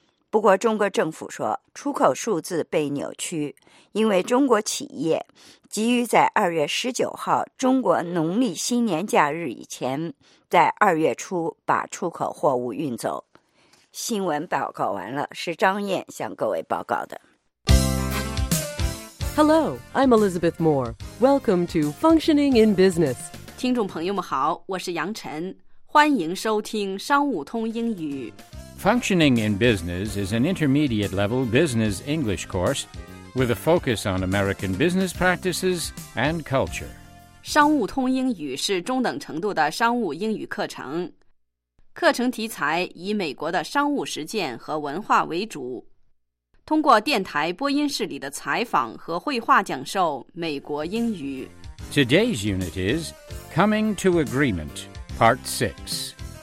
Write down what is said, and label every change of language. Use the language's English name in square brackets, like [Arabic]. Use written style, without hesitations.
[Chinese] 不过中国政府说，出口数字被扭曲，因为中国企业急于在2月19号中国农历新年假日以前，在2月初把出口货物运走。新闻报告完了，是张燕向各位报告的。 [English] Hello, I'm Elizabeth Moore. Welcome to Functioning in Business. [Chinese] 听众朋友们好，我是杨晨，欢迎收听商务通英语。 [English] Functioning in Business is an intermediate level business English course with a focus on American business practices and culture. [Chinese] 商务通英语是中等程度的商务英语课程。课程题材以美国的商务实践和文化为主，通过电台播音室里的采访和绘画讲授美国英语。 [English] Today's unit is Coming to Agreement, Part 6.